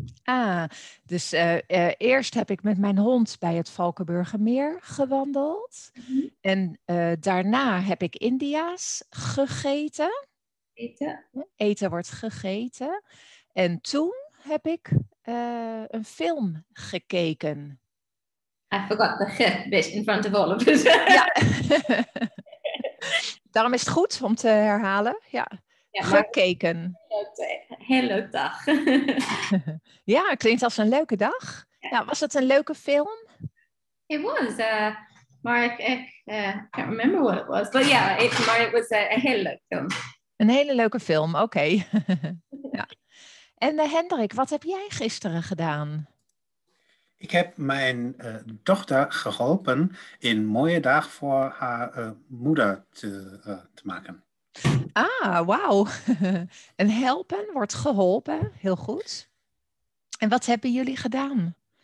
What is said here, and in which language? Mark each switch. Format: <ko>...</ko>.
<nl>Ah, dus eerst heb ik met mijn hond bij het Valkenburgermeer gewandeld. Mm-hmm. En daarna heb ik India's gegeten. Eten wordt gegeten. En toen heb ik een film gekeken.</nl> <en>I forgot the bit in front of all of us.</en> <nl>Ja. Daarom is het goed om te herhalen. Ja. Ja, gekeken. Heel leuk dag. Ja, klinkt als een leuke dag. Ja. Ja, was het een leuke film?</nl> <en>It was.</en> <nl>Maar ik</nl> <en>can't remember what it was. But yeah, it was a</en> <nl>heel leuk film. Een hele leuke film, oké. Okay. Ja. En Hendrik, wat heb jij gisteren gedaan? Ik heb mijn dochter geholpen een mooie dag voor haar moeder te maken. Ah, wauw. En helpen wordt geholpen. Heel goed. En wat hebben jullie gedaan?</nl>